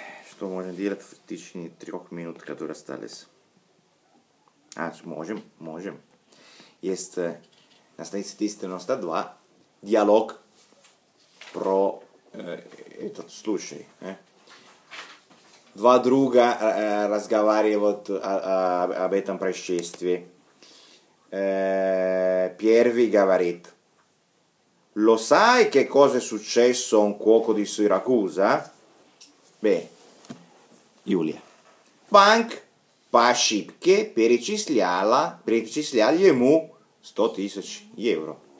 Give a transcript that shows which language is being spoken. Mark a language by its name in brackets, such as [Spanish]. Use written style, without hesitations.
[Russian] Что можем делать в течение трех минут, которые остались? А, можем, можем. Есть... На странице 392 диалог про этот случай. Два друга разговаривают об этом происшествии. Первый говорит: [Italian] «Lo sai che cosa è successo a un cuoco di Siracusa?» [Russian] Beh, Юлия. «Банк по ошибке перечислял ему 100 тысяч евро.